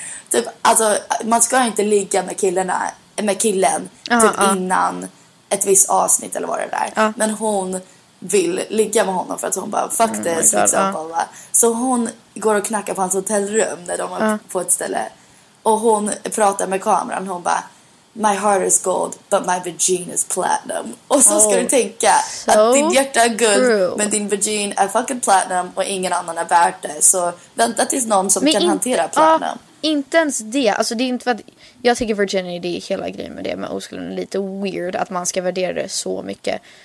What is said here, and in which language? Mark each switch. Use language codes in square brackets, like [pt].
[sv] typ, alltså, man ska inte ligga med killen innan ett visst avsnitt eller vad det där. Men hon vill ligga med honom för att hon bara, [en] fuck this. [sv] God, liksom, Så hon går och knackar på hans hotellrum när de är på ett ställe. Och hon pratar med kameran. Hon bara... [en] My heart is gold, but my vagina is platinum. [sv] Och så ska du tänka att din hjärta är guld, men din vagina är fucking platinum och ingen annan är värt det. Så vänta tills någon som kan hantera platinum. Inte ens det. Alltså, det är inte vad, jag tycker virginity, hela grejen med det med oskulden är lite weird att man ska värdera det så mycket.